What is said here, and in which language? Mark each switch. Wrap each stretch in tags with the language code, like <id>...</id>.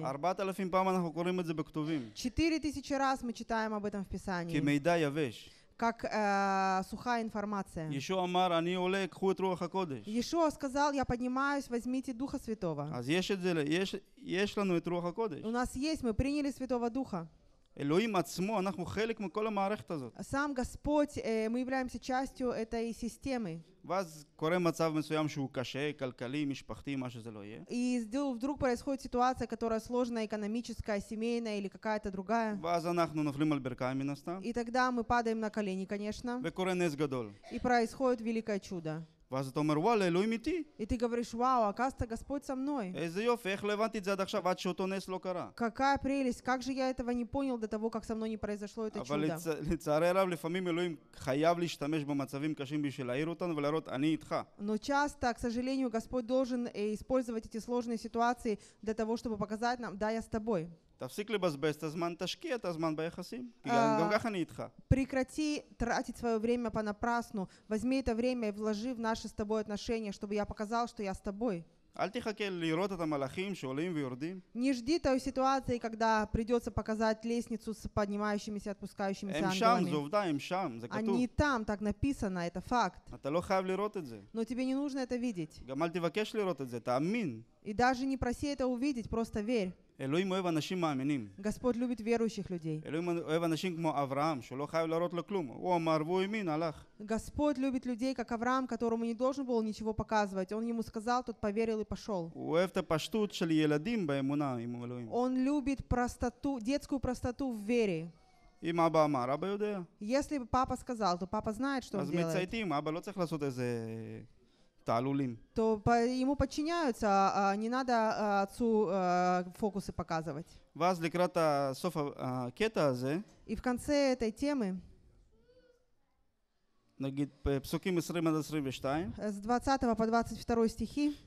<ru>4000 раз мы читаем об этом в Писании. Как сухая информация.</ru> <he>Иешуа амар, ани оле, кху эт руах ха-кодеш.</he> <ru>Иешуа сказал: «Я поднимаюсь, возьмите Духа Святого».</ru> <he>Аз еш эт зе, еш лану эт руах ха-кодеш.</he> <ru>У нас есть, мы приняли Святого Духа.</ru> <he>Элоим עצמו, אנחנו חלק מכל המערכת הזאת.</he> <ru>Сам Господь, мы являемся частью этой системы.</ru> <he>ואז קורה מצב מסוים שהוא קשה, כלכלי, משפחתי, מה שזה לא יהיה.</he> <ru>И вдруг происходит ситуация, которая сложная, экономическая, семейная или какая-то другая.</ru> <he>ואז אנחנו נופלים על ברכיים מן הסתם.</he> <ru>И тогда мы падаем на колени, конечно.</ru> <he>וקורה נס גדול.</he> <ru>И происходит великое чудо.</ru> <he>ואז אתה אומר: וואלה, אלוהים איתי.</he> <ru>И ты говоришь: «Вау, оказывается, Господь со мной».</ru> <he>איזה יופי, איך לא הבנתי את זה עד עכשיו, עד שאותו נס לא קרה.</he> <ru>Какая прелесть, как же я этого не понял до того, как со мной не произошло это чудо.</ru> <he>אבל לצערי הרב, לפעמים אלוהים חייב להשתמש במצבים קשים בשביל להעיר אותנו ולראות: אני איתך.</he> <ru>Но часто, к сожалению, Господь должен использовать эти сложные ситуации для того, чтобы показать нам: «Да, я с тобой».</ru> <he>תפסיק לבזבז את הזמן, תשקיע את הזמן ביחסים, כי גם כך אני איתך.</he> <ru>Прекрати тратить свое время понапрасну, возьми это время и вложи в наши с тобой отношения, чтобы я показал, что я с тобой.</ru> <he>אל תחכה לראות את המלאכים שעולים ויורדים.</he> <ru>Не жди той ситуации, когда придется показать лестницу с поднимающимися и отпускающимися ангелами.</ru> <he>הם שם, זו עובדה, הם שם, זה כתוב.</he> <ru>Они там, так написано, это факт.</ru> <he>אתה לא חייב לראות את זה.</he> <ru>Но тебе не нужно это видеть.</ru> <he>גם אל תבקש לראות את זה, תאמין.</he> <ru>И даже не проси это увидеть, просто верь.</ru> <he>אלוהים אוהב אנשים מאמינים.</he> <ru>Господь любит верующих людей.</ru> <he>אלוהים אוהב אנשים כמו אברהם, שלא חייב להראות לו כלום. הוא אמר, והוא האמין, הלך.</he> <ru>Господь любит людей, как Авраам, которому не должен был ничего показывать. Он ему сказал, тот поверил и пошел.</ru> <he>הוא אוהב את הפשטות של ילדים באמונה עם אלוהים.</he> <ru>Он любит простоту, детскую простоту в вере.</ru> <he>אם אבא אמר, אבא יודע.</he> <ru>Если бы папа сказал, то папа знает, что он делает.</ru> <he>אז מצייתים, אבא לא צריך לעשות איזה תעלולים.</he> <ru>То ему подчиняются, не надо отцу фокусы показывать.</ru> <he>ואז לקראת הסוף הקטע הזה.</he> <ru>И в конце этой темы.</ru> <he>נגיד פסוקים 20 עד 22.</he> <ru>С 20 по 22 стихи.</ru>